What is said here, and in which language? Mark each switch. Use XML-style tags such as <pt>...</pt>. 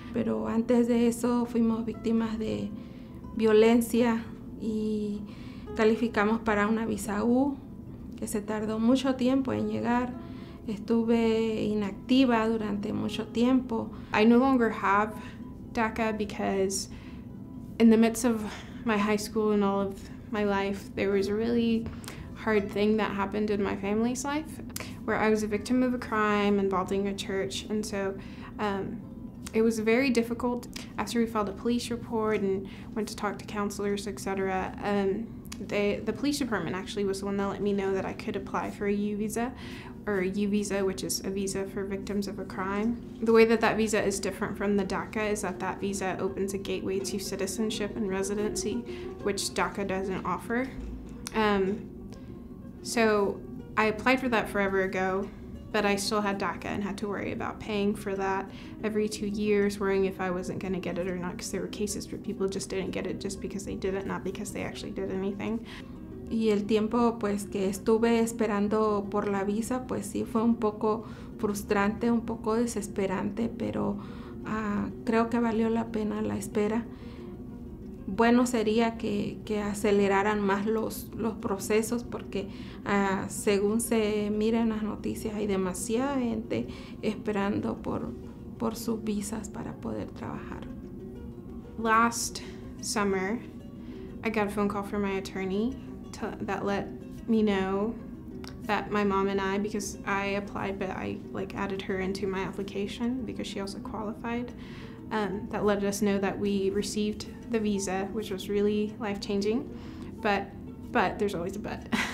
<es>Pero antes de eso fuimos víctimas de violencia y calificamos para una visa U que se tardó mucho tiempo en llegar. Estuve inactiva durante mucho tiempo.</es> <en>I no longer have DACA because in the midst of my high school and all of my life, there was a really hard thing that happened in my family's life, where I was a victim of a crime involving a church. And so it was very difficult. After we filed a police report and went to talk to counselors, et cetera, the police department actually was the one that let me know that I could apply for a U visa, or a U visa, which is a visa for victims of a crime. The way that that visa is different from the DACA is that that visa opens a gateway to citizenship and residency, which DACA doesn't offer. So I applied for that forever ago, but I still had DACA and had to worry about paying for that every 2 years, worrying if I wasn't going to get it or not, because there were cases where people just didn't get it just because they did it, not because they actually did anything.</en> <es>Y el tiempo, pues, que estuve esperando por la visa, pues sí fue un poco frustrante, un poco desesperante, pero creo que valió la pena la espera. Bueno sería que aceleraran más los procesos, porque según se mira en las noticias, hay demasiada gente esperando por sus visas para poder trabajar.</es> <en>Last summer, I got a phone call from my attorney that let me know that my mom and I, because I applied but I like added her into my application because she also qualified, that let us know that we received the visa, which was really life-changing, but there's always a but.</en>